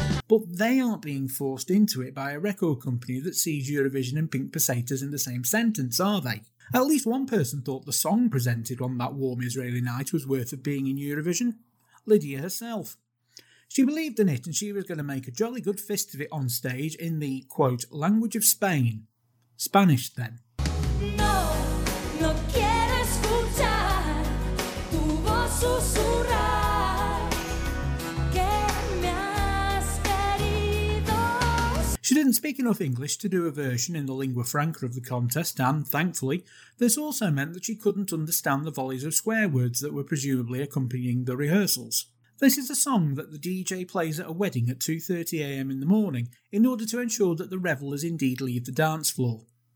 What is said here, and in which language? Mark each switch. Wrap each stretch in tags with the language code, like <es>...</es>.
<en>But they aren't being forced into it by a record company that sees Eurovision and Pink Pesetas in the same sentence, are they? At least one person thought the song presented on that warm Israeli night was worth of being in Eurovision. Lydia herself. She believed in it and she was going to make a jolly good fist of it on stage in the, quote, language of Spain. Spanish, then.</en> <es>No, no quiero escuchar tu voz susurrar que me has querido.</es> <en>She didn't speak enough English to do a version in the lingua franca of the contest and, thankfully, this also meant that she couldn't understand the volleys of swear words that were presumably accompanying the rehearsals. This is a song that the DJ plays at a wedding at 2:30 a.m. in the morning in order to ensure that the revelers indeed leave the dance floor.</en>